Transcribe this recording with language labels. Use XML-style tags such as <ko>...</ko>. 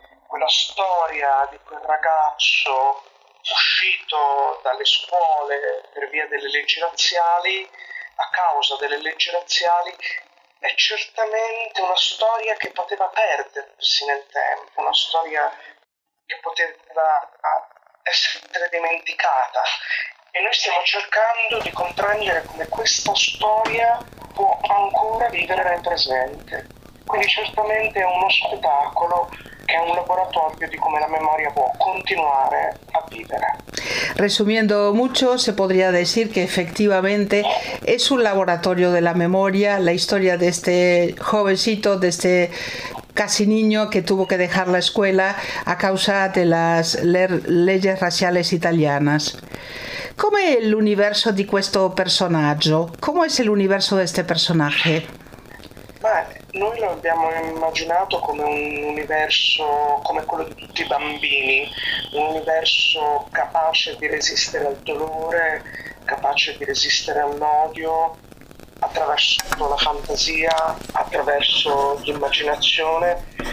<it>Quella storia di quel ragazzo uscito dalle scuole per via delle leggi razziali, a causa delle leggi razziali, è certamente una storia che poteva perdersi nel tempo, una storia che poteva essere dimenticata. E noi stiamo cercando di comprendere come questa storia può ancora vivere nel presente. Quindi certamente è uno spettacolo che è un laboratorio di come la memoria può continuare a vivere.</it> <es>Resumiendo mucho, se podría decir que efectivamente es un laboratorio de la memoria, la historia de este jovencito, de este casi niño que tuvo que dejar la escuela a causa de las leyes raciales italianas. ¿Cómo es el universo de este personaje? ¿Cómo es el universo de este personaje?</es> <it>Noi lo abbiamo immaginato come un universo, come quello di tutti i bambini, un universo capace di resistere al dolore, capace di resistere all'odio, attraverso la fantasia, attraverso l'immaginazione.</it>